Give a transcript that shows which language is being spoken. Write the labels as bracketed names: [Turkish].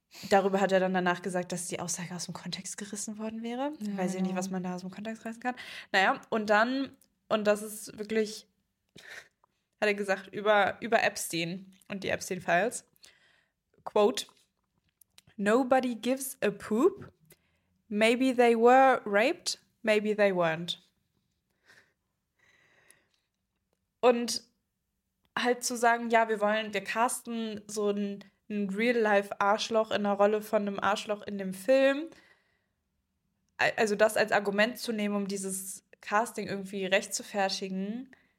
[German] Darüber hat er dann danach gesagt, dass die Aussage aus dem Kontext gerissen worden wäre. Weiß ich nicht, was Genau. man da aus dem Kontext reißen kann. Naja, und dann, und das ist wirklich, hat er gesagt, über Epstein und die Epstein-Files. [English] Quote: Nobody gives a poop. Maybe they were raped, maybe they weren't. [German] Und halt zu sagen, ja, wir casten so ein Real-Life-Arschloch in der Rolle von einem Arschloch in dem Film. Also das als Argument zu nehmen, um dieses Casting irgendwie rechtfertigen.